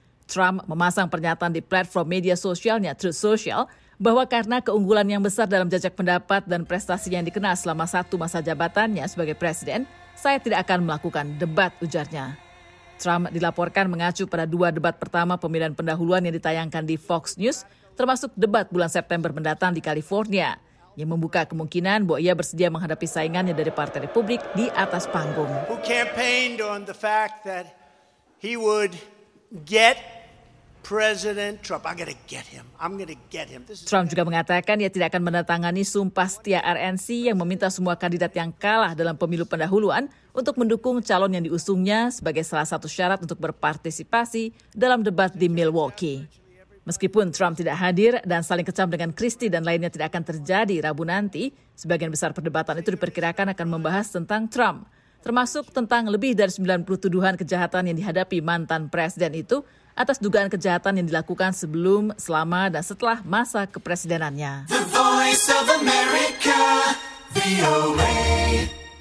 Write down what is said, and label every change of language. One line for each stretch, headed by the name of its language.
Indonesian: Trump memasang pernyataan di platform media sosialnya Truth Social bahwa karena keunggulan yang besar dalam jajak pendapat dan prestasi yang dikenal selama satu masa jabatannya sebagai presiden, saya tidak akan melakukan debat, ujarnya. Trump dilaporkan mengacu pada 2 debat pertama pemilihan pendahuluan yang ditayangkan di Fox News, termasuk debat bulan September mendatang di California, yang membuka kemungkinan bahwa ia bersedia menghadapi saingannya dari Partai Republik di atas panggung.
English: Who campaigned on the fact that he would get President Trump? I'm gonna get him. I'm gonna get him.
Indonesian: Trump juga mengatakan ia tidak akan menandatangani sumpah setia RNC yang meminta semua kandidat yang kalah dalam pemilu pendahuluan untuk mendukung calon yang diusungnya sebagai salah satu syarat untuk berpartisipasi dalam debat di Milwaukee. Meskipun Trump tidak hadir dan saling kecam dengan Christie dan lainnya tidak akan terjadi Rabu nanti, sebagian besar perdebatan itu diperkirakan akan membahas tentang Trump, termasuk tentang lebih dari 90 tuduhan kejahatan yang dihadapi mantan presiden itu atas dugaan kejahatan yang dilakukan sebelum, selama, dan setelah masa kepresidenannya. The Voice of America, VOA.